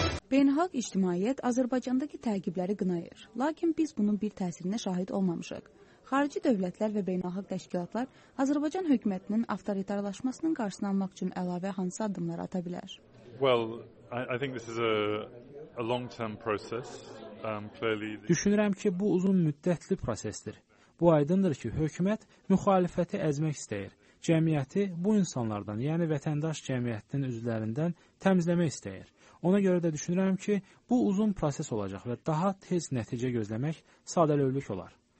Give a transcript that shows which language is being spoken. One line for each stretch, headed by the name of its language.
Azerbaijani: Beynəlxalq ictimaiyyət Azərbaycandakı təqibləri qınayır. Lakin biz bunun bir təsirinə şahid olmamışıq. Xarici dövlətlər və beynəlxalq təşkilatlar Azərbaycan hökumətinin avtoritarlaşmasının qarşısını almaq üçün əlavə hansı addımlar ata bilər?
English: Well, I think this is a long-term process.
Azerbaijani: Düşünürəm ki, bu uzun müddətli prosesdir. Bu aydındır ki, hökumət müxalifəti əzmək istəyir. Cəmiyyəti bu insanlardan, yəni vətəndaş cəmiyyətinin üzvlərindən təmizləmək istəyir. Ona görə də düşünürəm ki, bu uzun proses olacaq və daha tez nəticə gözləmək sadəlövlük olar.